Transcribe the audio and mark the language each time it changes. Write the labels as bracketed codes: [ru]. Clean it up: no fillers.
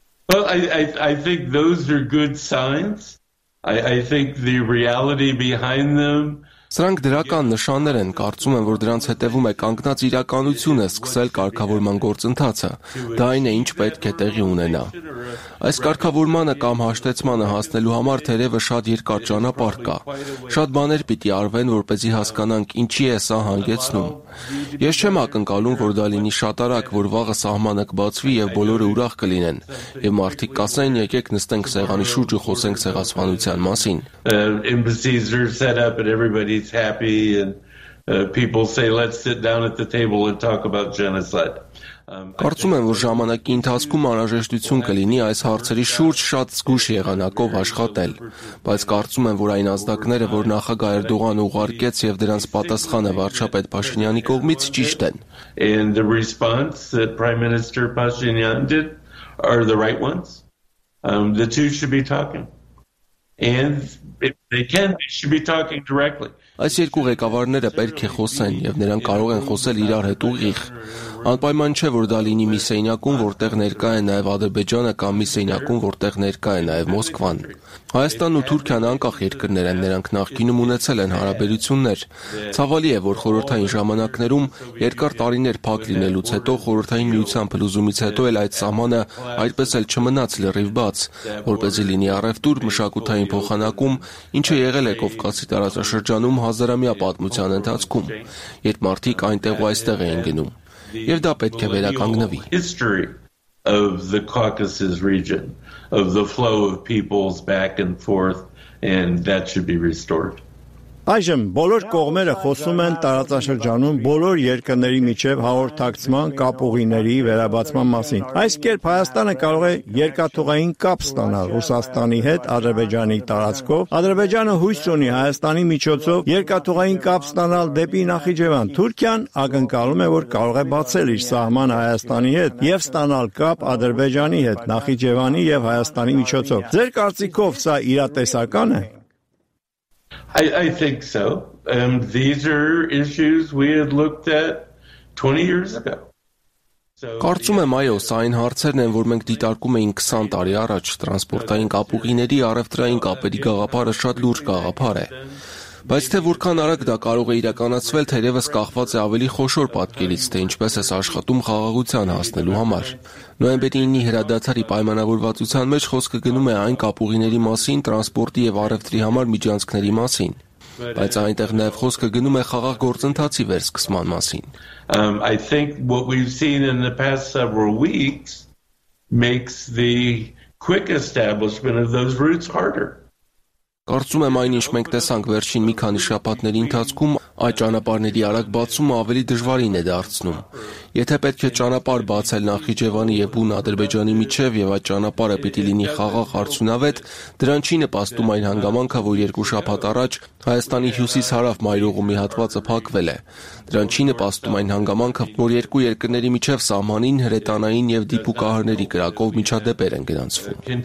[en] Well, I think those are good signs. I think the reality behind them. [hy] Սրանք դրական նշաններ են, կարծում եմ, որ դրանց հետևում է կանգնած իրականությունը սկսել կարգավորման գործընթացը, դա այն է, ինչ պետք է տեղի ունենա։ Այս կարգավորմանը կամ հաշտեցմանը հասնելու համար թերևս շատ երկար ճանապարհ կա, շատ բաներ պիտի արվեն, որպեսզի հասկանանք, ինչի է սա հանգեցնում։ Ես չեմ ակնկալում, որ դա լինի շատ արագ, որ վաղը սահմանը կբացվի և բոլորը ուրախ կլինեն, և մարդիկ կասեն, եկեք նստենք սեղանի շուրջ ու խոսենք սեղասպանության մասին։ [en] Everybody's happy and people say let's sit down at the table and talk about genocide. [hy] Կարծում եմ, որ ժամանակի ընթացքում անհրաժեշտություն կլինի այս հարցերի շուրջ շատ զգուշ եղանակով աշխատել, բայց կարծում եմ, որ այն ազդակները, որ նախագահ Էրդողանը ուղարկեց եւ դրանց պատասխանը վարչապետ Փաշինյանի կողմից ճիշտ են. [en] And the response that Prime Minister Pashinyan did are the right ones. The two should be talking. And they can, they should be talking directly. [hy] Այս երկու ղեկավարները պետք է խոսեն, եւ նրանք կարող են խոսել իրար հետ ուղիղ։ Անպայման չէ, որ դա լինի մի սենյակում, որտեղ ներկա է նաև Ադրբեջանը, կամ մի սենյակում, որտեղ ներկա է նաև Մոսկվան։ Հայաստանն ու Թուրքիան անկախ երկրներ են, նրանք նախկինում ունեցել են հարաբերություններ։ Ցավալի է, որ խորհրդային ժամանակներում երկար տարիներ փակ լինելուց հետո, խորհրդային միության փլուզումից հետո էլ այդ սահմանը այդպես էլ չմնաց լրիվ բաց, որպեսզի լինի առևտուր, մշակութային փոխանակում, ինչը եղել է Կովկասի տարածաշրջանում հազարամյա պատմության ընթացքում, երբ մարդիկ այնտեղ ու այստեղ էին գնում։ Եվ դա պետք է վերականգնվի։ [en] History of the Caucasus region, of the flow of peoples back and forth, and that should be restored. [hy] Այժմ բոլոր կողմերը խոսում են տարածաշրջանում բոլոր երկրների միջև հաղորդակցման կապուղիների վերաբացման մասին։ Այս կերպ Հայաստանը կարող է երկաթուղային կապ ստանալ Ռուսաստանի հետ Ադրբեջանի տարածքով։ Ադրբեջանը հույս ունի Հայաստանի միջոցով երկաթուղային կապ ստանալ դեպի Նախիջևան։ Թուրքիան ակնկալում է, որ կարող է բացել իր սահմանը Հայաստանի հետ և ստանալ կապ Ադրբեջանի հետ, Նախիջևանի և Հայաստանի միջոցով։ Ձեր կարծիքով սա իրատեսական է։ [en] I think so. These are issues we had looked at 20 years ago. [hy] Կարծում եմ, այո, սա այն հարցերն են, որ մենք դիտարկում էինք 20 տարի առաջ, տրանսպորտային կապուղիների առևտրային կապերի գաղափարը շատ լուրջ գաղափար է։ Բայց թե որքան արագ դա կարող է իրականացվել, թերևս կախված է ավելի խոշոր պատկերից, թե ինչպես էս աշխատում խաղաղության հասնելու համար։ Նոյեմբերի 9-ի հրադադարի պայմանավորվածության մեջ խոսքը գնում է այն կապուղիների մասին, տրանսպորտի եւ առևտրի համար միջանցքների մասին։ բայց այնտեղ նաև խոսքը գնում է խաղաղ գործընթացի վերսկսման մասին։ [en] I think what we've seen in the past several weeks makes the quick establishment of those roots harder. [hy] Կարծում եմ այն, ինչ մենք տեսանք վերջին մի քանի շաբաթների ընթացքում, այդ ճանապարհների արագ բացումը ավելի դժվարին է դարձնում։ Եթե պետք է ճանապարհ բացել Նախիջևանի եւ Բուն Ադրբեջանի միջև եւ այդ ճանապարհը պիտի լինի խաղաղ արդյունավետ, դրան չի նպաստում այն հանգամանքը, որ երկու շաբաթ առաջ Հայաստանի հյուսիսհարավ մայրուղու մի հատվածը փակվել է։ Դրան չի նպաստում այն հանգամանքը, որ երկու երկրների միջև սահմանին հրետանային եւ դիպուկահարների կրակով միջադեպեր են գրանցվում։